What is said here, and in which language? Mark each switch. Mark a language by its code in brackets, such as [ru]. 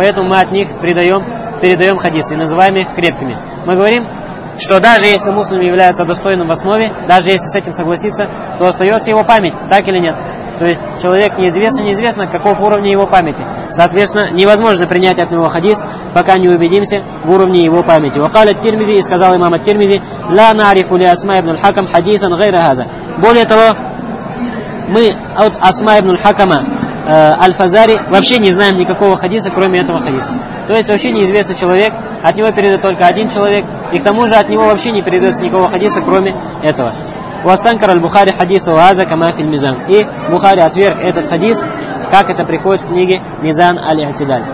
[ru] Поэтому мы от них передаем хадисы и называем их крепкими. Мы говорим, что даже если муслим является достойным в основе, даже если с этим согласиться, то остается его память, так или нет? То есть человек неизвестно, каков уровень его памяти. Соответственно, невозможно принять от него хадис, пока не убедимся в уровне его памяти. [ar] وقال الترمذي [ru] и сказал имам [ar] الترمذي لا نعرف لأسماء ابن الحكم حديثا غير هذا. [ru] Более того, мы от Асма ибн аль-Хакама аль-Фазари вообще не знаем никакого хадиса, кроме этого хадиса. То есть вообще неизвестный человек, от него передает только один человек, и к тому же от него вообще не передается никакого хадиса, кроме этого. [ar] Уастанкар аль-Бухари хадиса ваза кама фи аль-Мизан. [ru] И Бухари отверг этот хадис, как это приходит в книге Мизан аль-Итидаль.